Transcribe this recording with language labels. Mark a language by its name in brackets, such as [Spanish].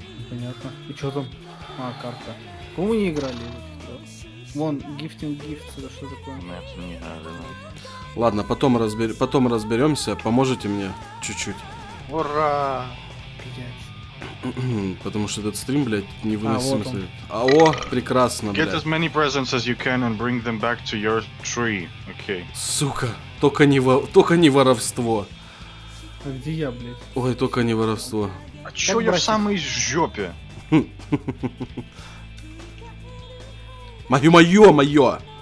[Russian] Понятно. И что там? А, карта. Кому не играли? Вон, гифтинг-гифт, это что такое? Нет, не знаю. Ладно, потом разберемся. Поможете мне чуть-чуть? Ура! Потому что этот стрим, блядь, невыносим. А, вот о, прекрасно, блядь. [English] Get as many presents as you can and bring them back to your tree, okay? [Russian] Сука, только не воровство. А где я, блядь? Ой, только не воровство. А чё я в самой жопе? Моё!